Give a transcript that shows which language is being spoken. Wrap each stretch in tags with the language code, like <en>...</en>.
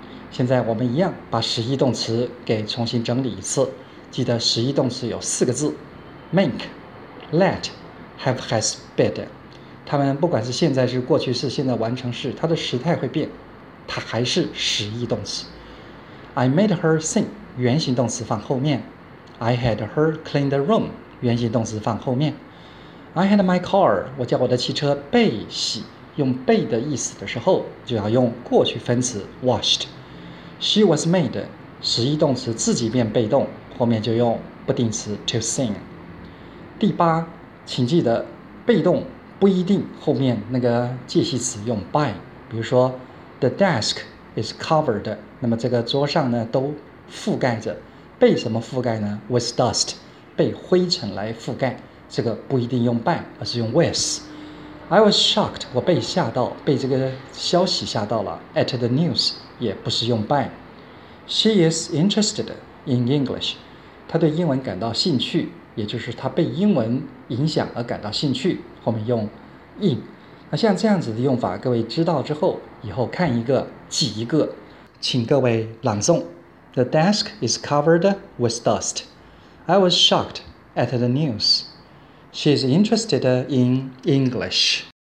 <zh>现在我们一样把使役动词给重新整理一次，记得使役动词有四个字， make， let， have， has， bid， 它们不管是现在是过去式现在完成式，它的时态会变，它还是使役动词。</zh> <en>I made her sing，</en> <zh>原形动词放后面。</zh> <en>I had her clean the room，</en> <zh>原形动词放后面。</zh> <en>I had my car，</en> <zh>我叫我的汽车被洗，用被的意思的时候，就要用过去分词 washed。</zh> <en>She was made</en> <zh>使役动词自己变被动，后面就用不定词</zh> <en>to sing。</en> <zh>第八，请记得被动不一定后面那个介系词用 by， 比如说</zh> <en>The desk is covered，</en> <zh>那么这个桌上呢都覆盖着，被什么覆盖呢？</zh> <en>With dust，</en> <zh>被灰尘来覆盖，这个不一定用 by， 而是用 with。</zh> <en>I was shocked，</en> <zh>我被吓到，被这个消息吓到了。</zh> <en>At the news，</en> <zh>也不是用 by。</zh> <en>She is interested in English，</en> <zh>她对英文感到兴趣，也就是她被英文影响而感到兴趣，后面用 in。那像这样子的用法，各位知道之后，以后看一个记一个，请各位朗诵。</zh> <en>The desk is covered with dust。 I was shocked at the news。She is interested in English.</en>